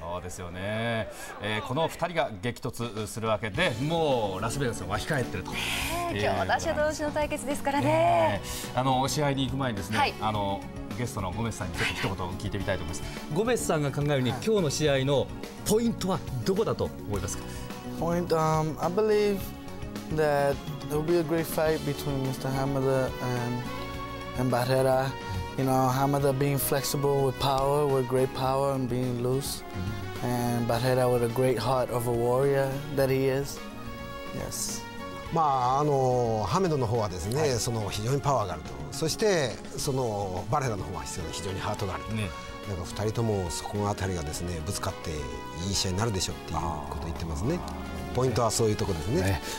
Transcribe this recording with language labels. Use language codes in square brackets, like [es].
[ja] そうですよね、この2人が激突するわけで、もうラスベガスは控えていると。強打者同士の対決ですからね。あの試合に行く前にですね、はい、あのゲストのゴメスさんにちょっと一言聞いてみたいと思います。ゴメスさんが考えるに、はい、今日の試合のポイントはどこだと思いますか。 [en] ポイント、I believe that there will be a great fight between Mr. Hamada and Barrera. You know, Hamada being flexible with power, with great power and being loose. And Barrera with a great heart of a warrior that he is. Yes. [ja] まあ、あのハメドの方はですね、はい、その非常にパワーがあると、そしてそのバレラの方は非常にハートがあると、ね、なんか2人ともそこあたりがですねぶつかっていい試合になるでしょうっていうことを言ってますね。ポイントはそういうところです ね、